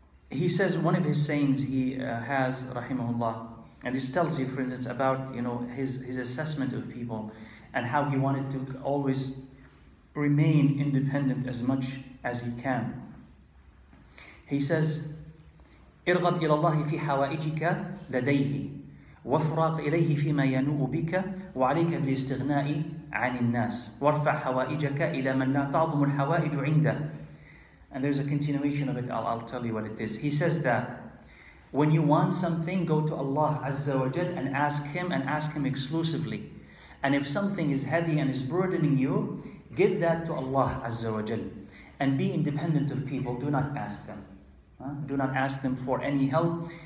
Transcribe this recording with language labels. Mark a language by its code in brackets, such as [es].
[en] He says one of his sayings he has, rahimahullah, and this tells you, for instance, about, you know, his assessment of people and how he wanted to always remain independent as much as he can. He says, [ar] ارغب إلى الله في حوائجك لديه وافرغ إليه فيما ينوء بك وعليك بالاستغناء عن الناس وارفع حوائجك إلى من لا تعظم الحوائج عنده. [en] And there's a continuation of it. I'll tell you what it is. He says that when you want something, go to Allah Azza wa Jal and ask Him, and ask Him exclusively. And if something is heavy and is burdening you, give that to Allah Azza wa Jal. And be independent of people. Do not ask them. Do not ask them for any help.